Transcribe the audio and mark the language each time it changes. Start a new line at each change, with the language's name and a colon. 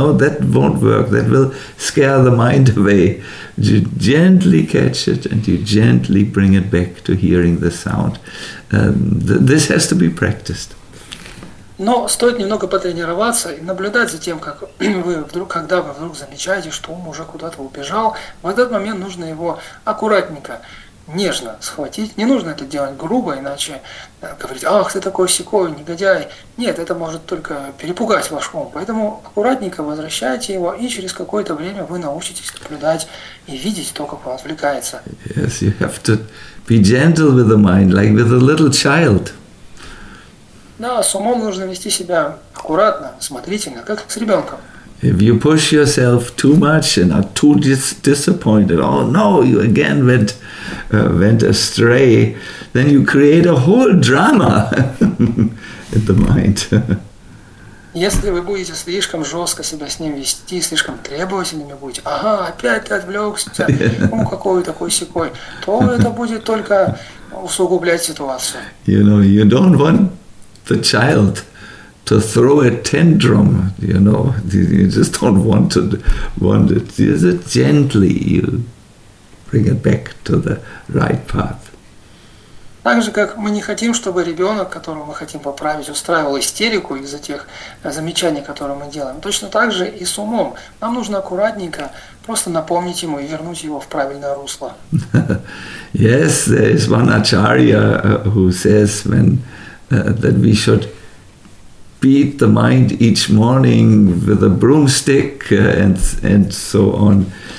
English: No, that won't work. That will scare the mind away. You gently catch it and you gently bring it back to hearing the sound. This has to be practiced.
Russian: Но стоит немного потренироваться и наблюдать за тем, как вы вдруг, когда вы вдруг замечаете, что ум уже куда-то убежал, в этот момент нужно его аккуратненько, нежно схватить. Не нужно это делать грубо, иначе говорить, ах, ты такой сякой, негодяй. Нет, это может только перепугать ваш ум. Поэтому аккуратненько возвращайте его, и через какое-то время вы научитесь наблюдать и видеть то, как он отвлекается.
English: Yes, you have to be gentle with the mind, like with a little child.
Russian: Да, с умом нужно вести себя аккуратно, смотрительно, как с ребенком.
English: If you push yourself too much and are too disappointed, oh no, you again went astray, then you create a whole drama in the mind.
Russian: Если вы будете слишком жестко себя с ним вести, слишком требовательными будете, ага, опять ты отвлекся, ум какой такой сякой, то это будет только усугублять ситуацию.
English: You know, you don't want the child to throw a tantrum, you know, you just don't want it. Is it gently you bring it back to the right path?
Russian: Так же, как мы не хотим, чтобы ребенок, которого мы хотим поправить, устраивал истерику из-за тех замечаний, которые мы делаем. Точно так же и с умом. Нам нужно аккуратненько просто напомнить ему и вернуть его в правильное русло.
English: Yes, there is one acharya who says that we should beat the mind each morning with a broomstick and so on.